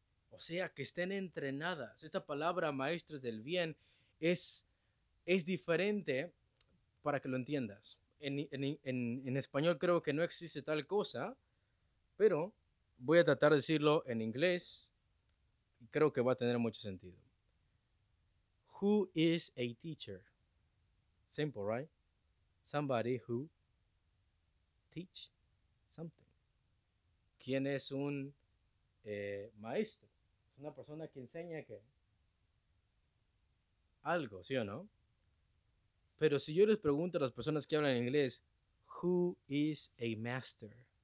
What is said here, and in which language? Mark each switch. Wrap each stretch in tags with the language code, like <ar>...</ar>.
<es>O sea, que estén entrenadas. Esta palabra maestras del bien es diferente para que lo entiendas. En español creo que no existe tal cosa, pero voy a tratar de decirlo en inglés. Creo que va a tener mucho sentido.</es> <en>Who is a teacher? Simple, right? Somebody who teach something.</en> <es>¿Quién es un maestro? Es una persona que enseña ¿qué? Algo, ¿sí o no? Pero si yo les pregunto a las personas que hablan inglés,</es> <en>who is a master?</en>